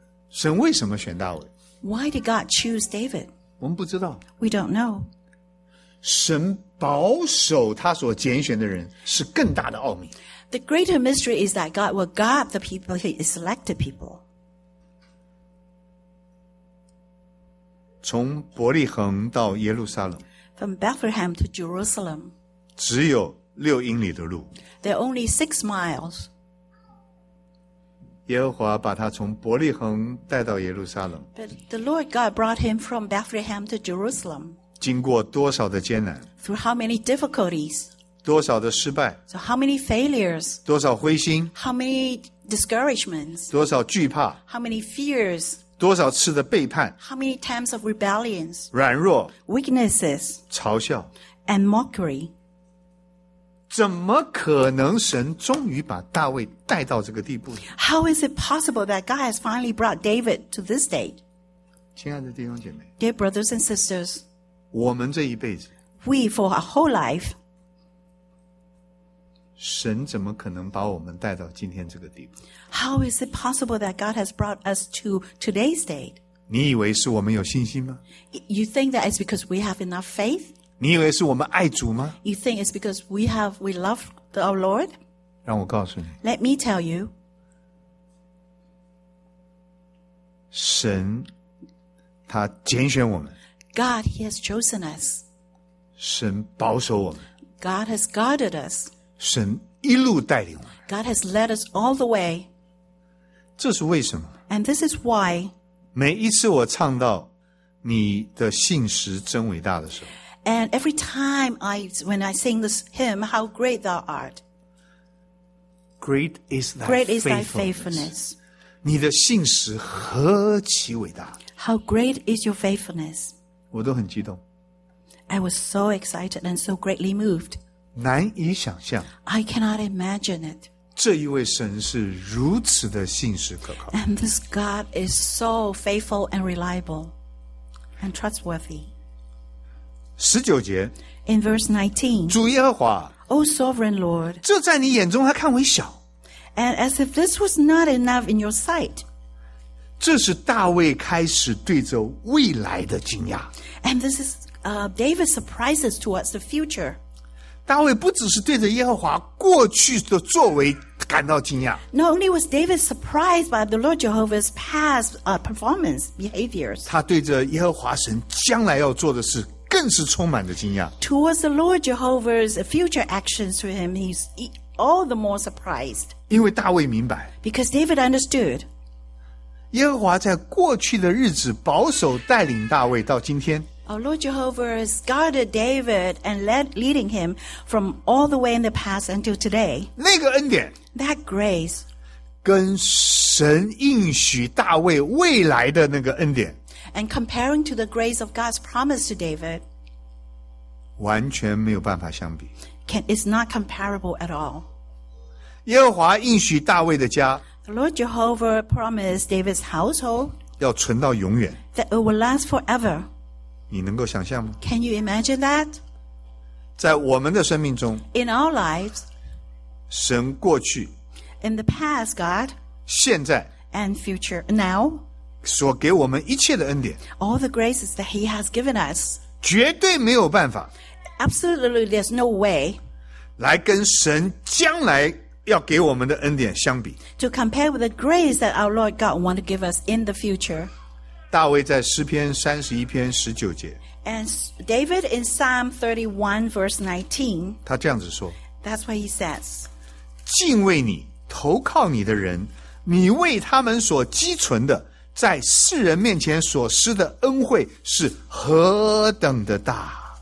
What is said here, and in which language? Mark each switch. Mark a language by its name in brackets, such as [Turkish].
[Chinese] 神为什么选大卫? [English] Why did God choose David? [Chinese] 我们不知道。 [English] We don't know. [Chinese] 神保守他所拣选的人是更大的奥秘。 [English] The greater mystery is that God will guard the people he selected people. [Chinese] 从伯利恒到耶路撒冷。 [English] From Bethlehem to Jerusalem. [Chinese] 只有六英里的路。 [English] There are only 6 miles. [Chinese] 耶和华把他从伯利恒带到耶路撒冷。 [English] But the Lord God brought him from Bethlehem to Jerusalem. [Chinese] 经过多少的艰难 [English] Through how many difficulties? [Chinese] 多少的失败 [English] So how many failures? [Chinese] 多少灰心 [English] How many discouragements? [Chinese] 多少惧怕 [English] How many fears? [Chinese] 多少次的背叛 [English] How many times of rebellions? [Chinese] 软弱 [English] Weaknesses [Chinese] 嘲笑 [English] And mockery [Chinese] 怎么可能神终于把大卫带到这个地步 [English] How is it possible that God has finally brought David to this state? [Chinese] 亲爱的弟兄姐妹 [English] Dear brothers and sisters, [Chinese] 我们这一辈子 [English] We for our whole life [Chinese] 神怎么可能把我们带到今天这个地步 [English] How is it possible that God has brought us to today's date? [Chinese] 你以为是我们有信心吗 [English] You think that it's because we have enough faith? [Chinese] 你以为是我们爱主吗 [English] You think it's because we love our Lord? [Chinese] 让我告诉你 [English] Let me tell you [Chinese] 神他拣选我们 [English] God, he has chosen us. [Chinese] 神保守我们。 [English] God has guarded us. [Chinese] 神一路带领我们。 [English] God has led us all the way. [Chinese] 这是为什么? [English] And this is why. [Chinese] 每一次我唱到你的信实真伟大的时候。 [English] And every time when I sing this hymn, how great thou art. Great is thy faithfulness. [Chinese] 你的信实何其伟大。 [English] How great is your faithfulness. [Chinese] 我都很激动。 [English] I was so excited and so greatly moved. [Chinese] 难以想象。 [English] I cannot imagine it. [Chinese] 这一位神是如此的信实可靠。 [English] And this God is so faithful and reliable and trustworthy. [Chinese] 十九节。 [English] In verse 19. [Chinese] 主耶和华。 [English] O sovereign Lord. [Chinese] 这在你眼中还看为小。 [English] And as if this was not enough in your sight. [Chinese] 这是大卫开始对着未来的惊讶。 [English] And this is David's surprises towards the future. [Chinese] 大卫不只是对着耶和华过去的作为感到惊讶。 [English] Not only was David surprised by the Lord Jehovah's past performance behaviors. [Chinese] 他对着耶和华神将来要做的事更是充满着惊讶。 [English] Towards the Lord Jehovah's future actions to him, he's all the more surprised. [Chinese] 因为大卫明白。 [English] Because David understood. [Chinese] 耶和华在过去的日子保守带领大卫到今天。 [English] Our Lord Jehovah has guarded David and leading him from all the way in the past until today. [Chinese] 那个恩典 [English] That grace. [Chinese] 跟神应许大卫未来的那个恩典 [English] And comparing to the grace of God's promise to David. [Chinese] 完全没有办法相比 [English] It's not comparable at all. [Chinese] 耶和华应许大卫的家 [English] The Lord Jehovah promised David's household. [Chinese] 要存到永远 [English] That it will last forever. [Chinese] 你能够想象吗 [English] Can you imagine that? [Chinese] 在我们的生命中 [English] In our lives [Chinese] 神过去 [English] In the past, God [Chinese] 现在 [English] And future, now [Chinese] 所给我们一切的恩典 [English] All the graces that he has given us [Chinese] 绝对没有办法 [English] Absolutely, there's no way [Chinese] 来跟神将来要给我们的恩典相比 [English] To compare with the grace that our Lord God want to give us in the future [Chinese] 大卫在诗篇三十一篇十九节 [English] And David in Psalm 31 verse 19 [Chinese] 他这样子说 [English] That's what he says [Chinese] 敬畏你投靠你的人你为他们所积存的在世人面前所施的恩惠是何等的大